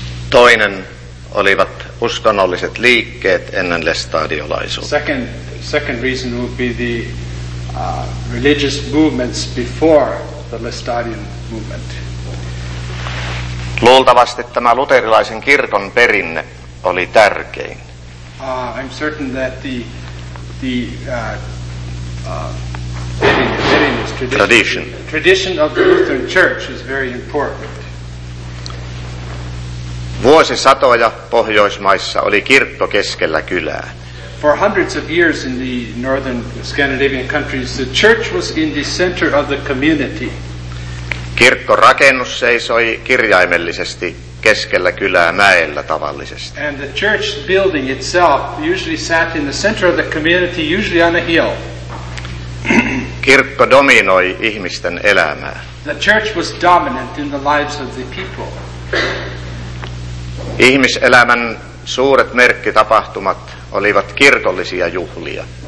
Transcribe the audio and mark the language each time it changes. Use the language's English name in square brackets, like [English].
[Finnish] Toinen olivat uskonnolliset liikkeet ennen lestadiolaisuutta. [English] Second reason would be the religious movements before the Lestadian movement. [Finnish] Luultavasti tämä luterilaisen kirkon perinne oli tärkein. [English] I'm certain that the tradition of the Lutheran Church is very important. [Finnish] Vuosisatoja Pohjoismaissa oli kirkko keskellä kylää. [English] for hundreds of years in the northern Scandinavian countries, the church was in the center of the community. [Finnish] Kirkkorakennus seisoi kirjaimellisesti keskellä kylää mäellä tavallisesti. [English] And the church building itself usually sat in the center of the community, usually on a hill. [Finnish] Kirkko dominoi ihmisten elämää. [English] The church was dominant in the lives of the people. [Finnish] Ihmiselämän suuret merkkitapahtumat olivat kirkollisia juhlia.